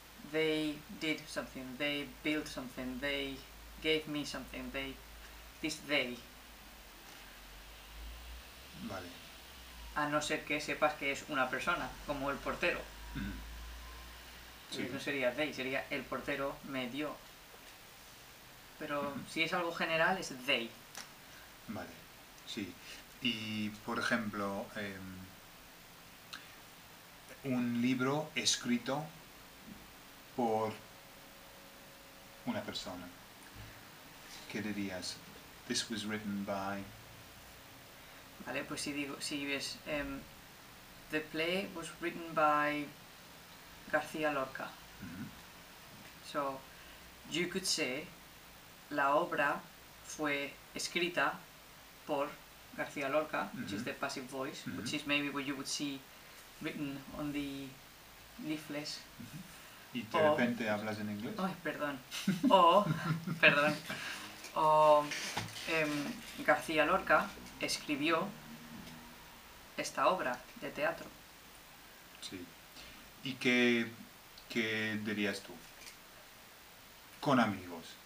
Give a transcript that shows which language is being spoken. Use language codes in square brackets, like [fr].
[en] They did something, they built something, they gave me something, they. This they. [es] Vale. A no ser que sepas que es una persona, como el portero. No Sí. sería they, sería el portero me dio. Pero si es algo general, es they. Vale, sí. Y por ejemplo, un libro escrito por una persona. ¿Qué dirías? [en] This was written by. [es] Vale, pues si digo, si ves, [en] the play was written by [es] García Lorca. [en] So, you could say, [es] la obra fue escrita por García Lorca, [en] which is the passive voice, which is maybe what you would see written on the leaflets. [es] Y de O, repente hablas en inglés. ay, perdón. O, perdón. O, García Lorca escribió esta obra de teatro. Sí. ¿Y qué dirías tú? Con amigos.